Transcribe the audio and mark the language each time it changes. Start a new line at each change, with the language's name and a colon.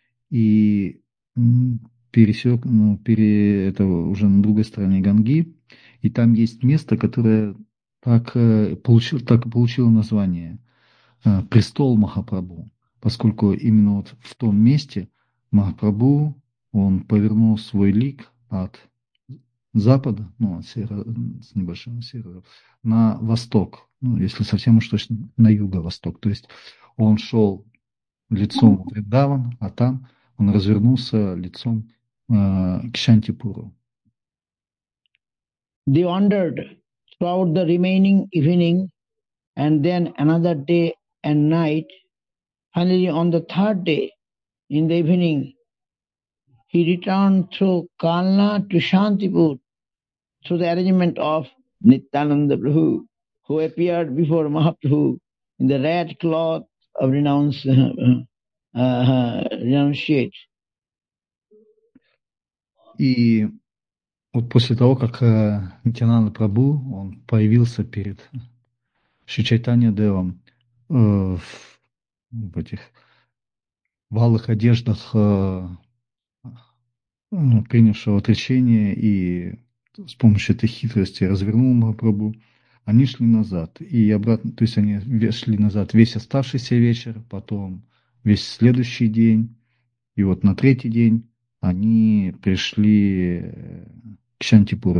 Russian: И пересек, ну, это уже на другой стороне Ганги, и там есть место, которое так получило название «Престол Махапрабху», поскольку именно вот в том месте Махапрабху, он повернул свой лик от запада, ну, от севера, с небольшим севером, на восток, ну, если совсем уж точно, на юго-восток. То есть он шел лицом в Вриндаван, а там он развернулся лицом к Шантипуру.
English: They wandered throughout the remaining evening and then another day and night. Finally, on the third day in the evening, he returned through Kalna to Shantipur through the arrangement of Nityananda Prabhu, who appeared before Mahaprabhu in the red cloth of renunciate.
Russian: Вот после того, как Нитьянанда Прабху, он появился перед Шри Чайтанья Девом в этих в алых одеждах, принявшего отречение и с помощью этой хитрости развернул Махапрабху, они шли назад и обратно, то есть они шли назад весь оставшийся вечер, потом весь следующий день, и вот на третий день они пришли Шантипур.